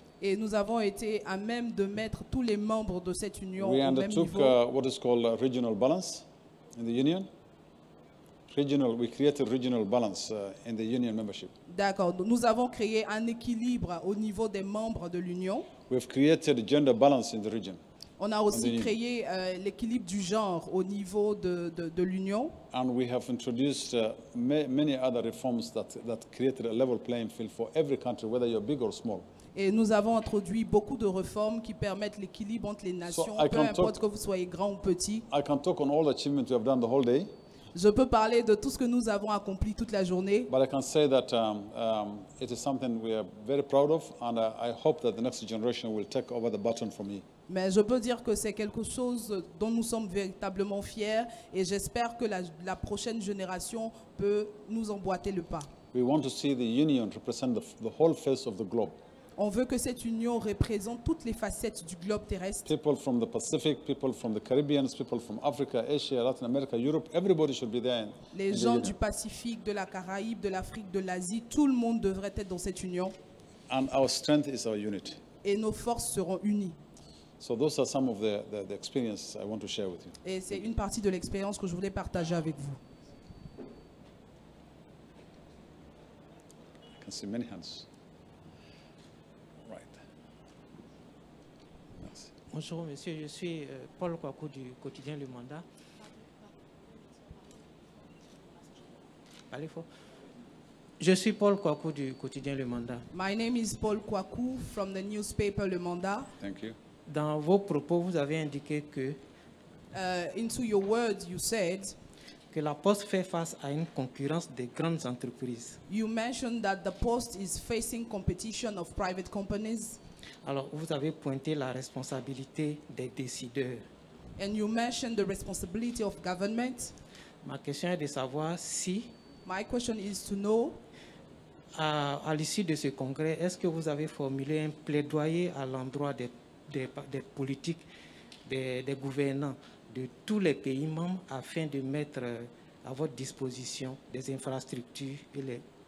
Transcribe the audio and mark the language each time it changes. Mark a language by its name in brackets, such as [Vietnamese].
[French] Et nous avons été à même de mettre tous les membres de cette union [English] we [French] au même niveau. [English] What is called a regional balance in the union. Regional, we created regional balance in the union membership. [French] D'accord. Nous avons créé un équilibre au niveau des membres de l'union. [English] We've created gender balance in the region. [French] On a aussi créé l'équilibre du genre au niveau de l'Union. [English] And we have introduced many other reforms that created a level playing field for every country, whether you're big or small. [French] Et nous avons introduit beaucoup de réformes qui permettent l'équilibre entre les nations, [English] so [French] peu importe que vous soyez grand ou petit. [English] I can talk on all the achievements we have done the whole day. [French] Je peux parler de tout ce que nous avons accompli toute la journée. [English] But I can say that it is something we are very proud of, and I hope that the next generation will take over the baton from me. [French] Mais je peux dire que c'est quelque chose dont nous sommes véritablement fiers, et j'espère que la prochaine génération peut nous emboîter le pas. [English] We want to see the union represent the whole face of the globe. [French] On veut que cette union représente toutes les facettes du globe terrestre. [English] People from the Pacific, people from the Caribbean, people from Africa, Asia, Latin America, Europe, everybody should be there. [French] Les gens du Pacifique, de la Caraïbe, de l'Afrique, de l'Asie, tout le monde devrait être dans cette union. [English] And our strength is our unity. [French] Et nos forces seront unies. [English] So those are some of the experiences I want to share with you. [French] Et c'est une partie de l'expérience que je voulais partager avec vous. [English] I can see many hands. [French] Bonjour monsieur, je suis Paul Kwaku du quotidien Le Mandat. Allez fort. Je suis Paul Kwaku du quotidien Le Mandat. [English] My name is Paul Kwaku from the newspaper Le Mandat. Thank you. [French] Dans vos propos, vous avez indiqué que [English] into your words you said [French] que la poste fait face à une concurrence des grandes entreprises. [English] You mentioned that the post is facing competition of private companies. [French] Alors, vous avez pointé la responsabilité des décideurs. [English] And you mentioned the responsibility of government. [French] Ma question est de savoir si, [English] my question is to know, [French] à l'issue de ce congrès, est-ce que vous avez formulé un plaidoyer à l'endroit des politiques, des gouvernants de tous les pays membres afin de mettre à votre disposition des infrastructures et les...